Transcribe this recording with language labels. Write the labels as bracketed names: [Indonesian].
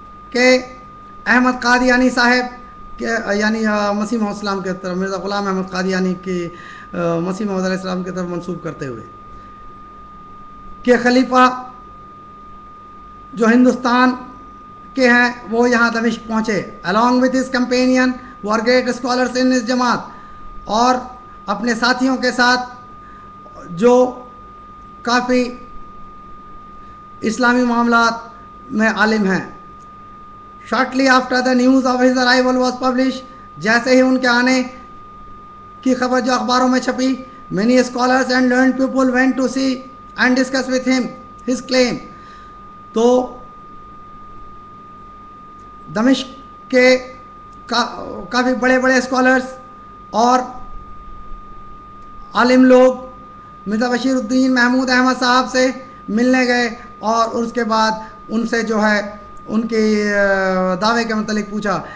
[Urdu] کہ احمد قادیانی صاحب کے, یعنی مسیح محمد السلام کے طرف, مرزا غلام احمد قادیانی کی مسیح محمد علیہ السلام کے طرف منسوب کرتے ہوئے, کہ خلیفہ جو ہندوستان کے ہیں وہ یہاں دمشق پہنچے, [English] along with his companion who are great scholars in his [Urdu] جماعت, اور اپنے ساتھیوں کے ساتھ جو کافی اسلامی معاملات میں عالم ہیں. [English] Shortly after the news of his arrival was published, [Urdu] جیسے ہی ان کے آنے کی خبر جو اخباروں میں چھپی, [English] many scholars and learned people went to see and discuss with him his claim. [Urdu] تو دمشق کے کافی بڑے بڑے scholars اور عالم لوگ مرزا بشیر الدین محمود احمد صاحب سے ملنے گئے, اور اس کے بعد ان سے جو ہے ان کے دعوے کے متعلق پوچھا.